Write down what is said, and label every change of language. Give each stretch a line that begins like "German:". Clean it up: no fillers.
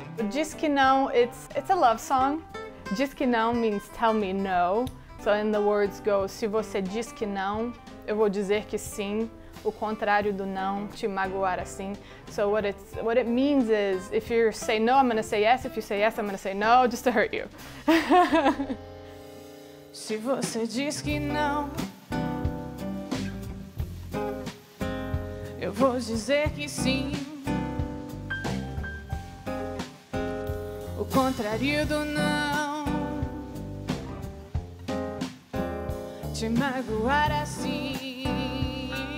Portuguese: Diz que não,
English: it's a love song. Diz que não means tell me no. So in the words go,
Portuguese: se você diz que não, eu vou dizer que sim. O contrário do não, te magoar assim.
English: So what it means is, if you say no, I'm gonna say yes. If you say yes, I'm gonna say no, just to hurt you.
Portuguese: Se você diz que não, eu vou dizer que sim. O contrário do não, te magoar assim.